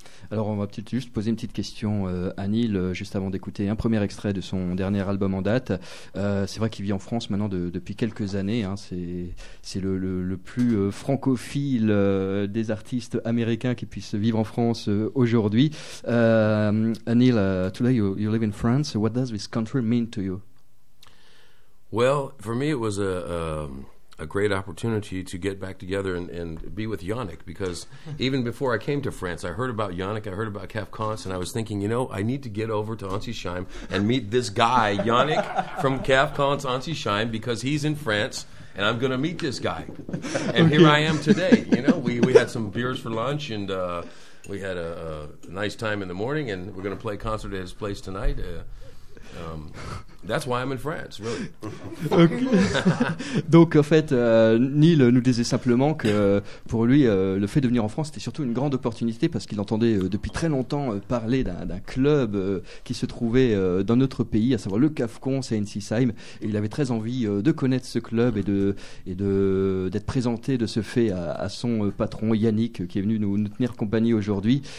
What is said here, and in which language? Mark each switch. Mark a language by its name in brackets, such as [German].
[French] Alors on va peut-être juste poser une petite question à Neil, juste avant d'écouter un premier extrait de son dernier album en date. C'est vrai qu'il vit en France maintenant depuis quelques années, hein. C'est le plus francophile des artistes américains qui puissent vivre en France aujourd'hui. [English] Neil, today you live in France. What does this country mean to you? Well, for me it was a a great opportunity to get back together and be with Yannick, because even before I came to France, I heard about Yannick, I heard about Kef Kontz, and I was thinking, you know, I need to get over to Anzisheim and meet this guy, Yannick, from Kef Kontz Anzisheim, because he's in France, and I'm going to meet this guy. And here I am today. You know, we had some beers for lunch, and we had a nice time in the morning, and we're going to play a concert at his place tonight. That's why I'm in France, really. [French] Donc, en fait, Neil nous disait simplement que pour lui, le fait de venir en France, c'était surtout une grande opportunité parce qu'il entendait depuis très longtemps parler d'un club qui se trouvait dans notre pays, à savoir le Kef Kontz à Anzisheim. Et il avait très envie de connaître ce club et d'être présenté de ce fait à son patron Yannick qui est venu nous tenir compagnie aujourd'hui.